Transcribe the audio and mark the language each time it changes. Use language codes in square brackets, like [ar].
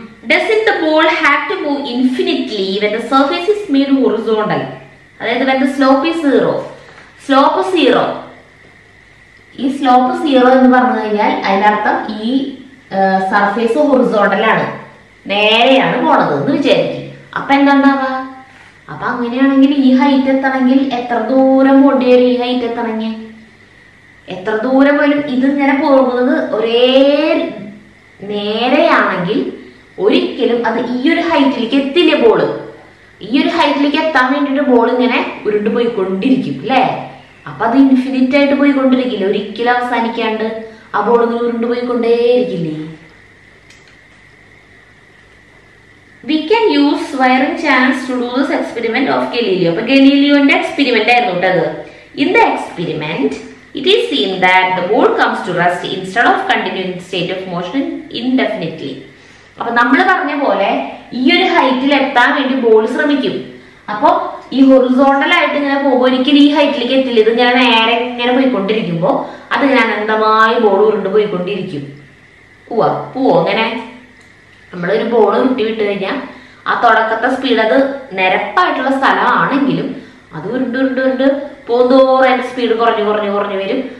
[en] Doesn't the ball have to move infinitely when the surface is made horizontal? [ml] അതായത് [en] when the slope is zero. Slope zero. [ml] ഈ slope zero എന്ന് പറഞ്ഞു കഴിഞ്ഞാൽ അതിനർത്ഥം ഈ surface horizontal ആണ്, നേരെയാണ് പോണത് എന്ന് വിചാരിക്കും. അപ്പൊ എന്താണ്ടാവാ, അപ്പൊ അങ്ങനെയാണെങ്കിൽ ഈ ഹൈറ്റ് എത്തണമെങ്കിൽ എത്ര ദൂരം പോണ്ടി വരും? ഈ ഹൈറ്റ് എത്തണമെങ്കിൽ എത്ര ദൂരം പോലും ഇത് ഇങ്ങനെ പോകുന്നത് ഒരേ നേരെയാണെങ്കിൽ ഒരിക്കലും അത് ഈ ഒരു ഹൈറ്റിലേക്ക് എത്തില്ല. ബോള് ഈ ഒരു ഹൈറ്റിലേക്ക് എത്താൻ വേണ്ടിട്ട് ബോൾ ഇങ്ങനെ ഉരുണ്ടു പോയിക്കൊണ്ടിരിക്കും അല്ലേ. അപ്പൊ അത് ഇൻഫിനിറ്റ് ആയിട്ട് പോയിക്കൊണ്ടിരിക്കില്ല, ഒരിക്കലും അവസാനിക്കാണ്ട് ആ ബോൾ ഇങ്ങനെ ഉരുണ്ടു പോയിക്കൊണ്ടേയിരിക്കില്ലേ. [en] We can use wiring channels to do this experiment of Galileo. [ml] അപ്പൊ ഗലീലിയോന്റെ എക്സ്പെരിമെന്റ് ആയിരുന്നു കേട്ടത്. [en] In the experiment It is seen that the ball comes to rest instead of continuing state of motion indefinitely. [ml] അപ്പോൾ നമ്മൾ പറഞ്ഞ പോലെ ഈ ഒരു ഹൈറ്റിൽ എത്താൻ വേണ്ടി ബോൾ ശ്രമിക്കും. അപ്പോൾ ഈ ഹൊറിസോണ്ടൽ ആയിട്ട് ഇങ്ങനെ പോകുമ്പോൾ എനിക്ക് ഈ ഹൈറ്റിലേക്ക് എത്തില്ല. ഇത് ഞാൻ നേരെ ഇങ്ങനെ പോയിക്കൊണ്ടിരിക്കുമ്പോ അത് ഞാൻ അന്ധമായി ബോൾ ഉരുണ്ടു പോയിക്കൊണ്ടിരിക്കും. പോവോ അങ്ങനെ നമ്മളൊരു ബോൾ ഉരുട്ടി വിട്ട് കഴിഞ്ഞാൽ ആ തുടക്കത്തെ സ്പീഡ് അത് നിരപ്പായിട്ടുള്ള സ്ഥലമാണെങ്കിലും അത് ഉരുണ്ട് ഉരുണ്ട് ഉരുണ്ട് പോന്തോറും അതിന്റെ സ്പീഡ് കുറഞ്ഞു കുറഞ്ഞു കുറഞ്ഞു വരും.